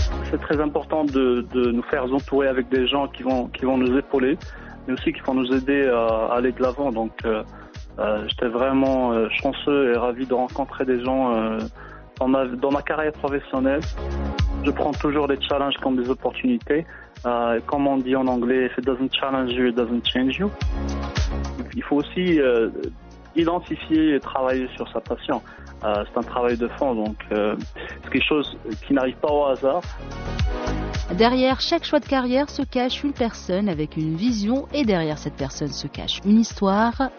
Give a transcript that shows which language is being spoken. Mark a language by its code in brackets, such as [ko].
[fr] C'est très important de nous faire entourer avec des gens qui vont nous épauler, mais aussi qui vont nous aider à aller de l'avant. Donc, j'étais vraiment chanceux et ravi de rencontrer des gens dans ma carrière professionnelle. Je prends toujours les challenges comme des opportunités. Comme on dit en anglais, [en] if it doesn't challenge you, it doesn't change you. [fr] Il faut aussi identifier et travailler sur sa passion. C'est un travail de fond, donc c'est quelque chose qui n'arrive pas au hasard. Derrière chaque choix de carrière se cache une personne avec une vision, et derrière cette personne se cache une histoire.